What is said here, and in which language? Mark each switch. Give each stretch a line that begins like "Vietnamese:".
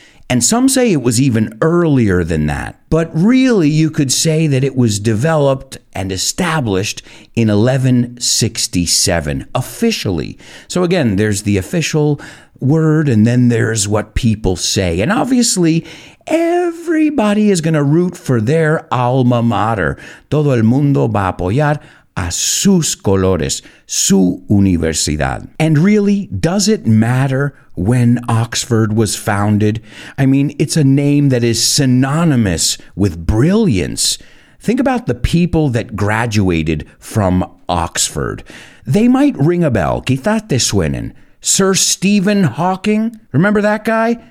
English: And some say it was even earlier than that. But really, you could say that it was developed and established in 1167, officially. So again, there's the official word, and then there's what people say. And obviously, everybody is going to root for their alma mater.
Spanish: Todo el mundo va a apoyar a sus colores, su universidad.
English: And really, does it matter when Oxford was founded? I mean, it's a name that is synonymous with brilliance. Think about the people that graduated from Oxford. They might ring a bell.
Spanish: Quizás te suenen.
English: Sir Stephen Hawking. Remember that guy?